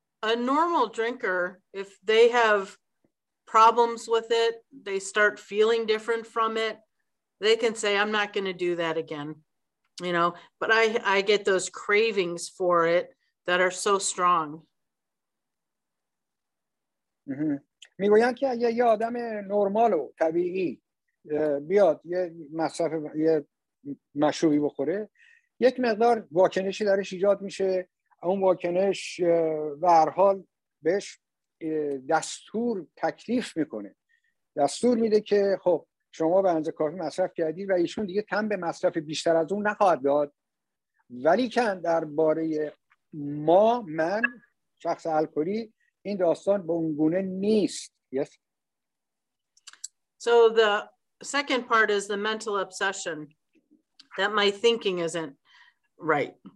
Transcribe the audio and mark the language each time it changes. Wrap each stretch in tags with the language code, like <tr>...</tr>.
<en>A normal drinker, if they have problems with it, they start feeling different from it, they can say, I'm not going to do that again, you know, but I get those cravings for it that are so strong.</en> <fa>میگویند که اگه یه آدم نرمال و طبیعی بیاد یه مصرف یه مشروبی بخوره، یک مقدار واکنشی درش ایجاد میشه. اون واکنش به هر حال بهش دستور تکلیف میکنه، دستور میده که خب شما به اندازه کافی مصرف کردی و ایشون دیگه تن به مصرف بیشتر از اون نخواهد داد. ولیکن در باره ما، من شخص الکلی، این داستان به اون گونه نیست.</fa> <en>Yes. So the second part is the mental obsession that my thinking isn't right.</en>